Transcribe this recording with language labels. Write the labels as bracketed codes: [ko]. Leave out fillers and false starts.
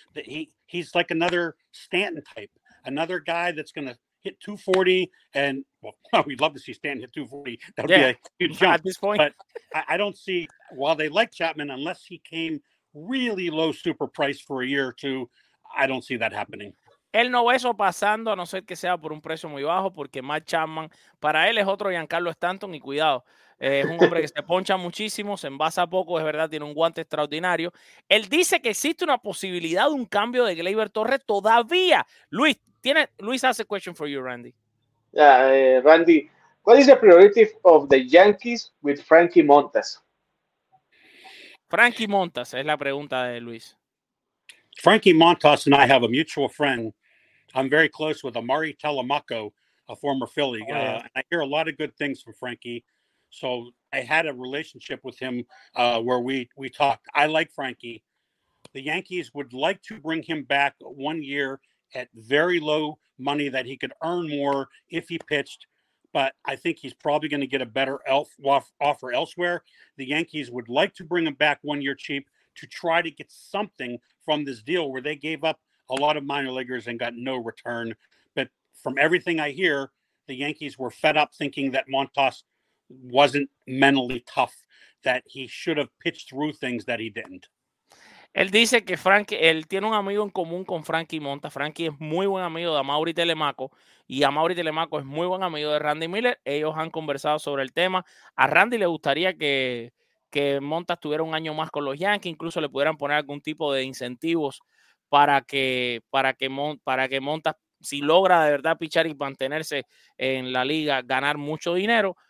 [en] That he's like another Stanton type, another guy that's going to hit 240, and well, we'd love to see Stanton hit 240. That would be a huge jump. At this point. But I don't see, while they like Chapman, unless he came really low super price for a year or two, I don't see that happening. [es] Él no ve eso pasando, a no ser que sea por un precio muy bajo, porque Matt Chapman, para él es otro Giancarlo Stanton, y cuidado. Es un hombre que se poncha muchísimo, se envasa poco, es verdad, tiene un guante extraordinario. Él dice que existe una posibilidad de un cambio de Gleyber Torres todavía. [en] Luis has a question for you, Randy. Randy, what is the priority of the Yankees with Frankie Montas? [es] Frankie Montas es la pregunta de Luis. [en] Frankie Montas and I have a mutual friend. I'm very close with Amari Telemaco, a former Philly. Oh, yeah. I hear a lot of good things from Frankie. So I had a relationship with him where we talked. I like Frankie. The Yankees would like to bring him back 1 year at very low money that he could earn more if he pitched. But I think he's probably going to get a better offer elsewhere. The Yankees would like to bring him back 1 year cheap to try to get something from this deal where they gave up a lot of minor leaguers and got no return. But from everything I hear, the Yankees were fed up thinking that Montas wasn't mentally tough, that he should have pitched through things that he didn't. [es] Él dice que él tiene un amigo en común con Frankie Montas. Frankie es muy buen amigo de Amaury Telemaco, y Amaury Telemaco es muy buen amigo de Randy Miller. Ellos han conversado sobre el tema. A Randy le gustaría que Montas tuviera un año más con los Yankees, incluso le pudieran poner algún tipo de incentivos para que Montas, si logra de verdad pichar y mantenerse en la liga, ganar mucho dinero.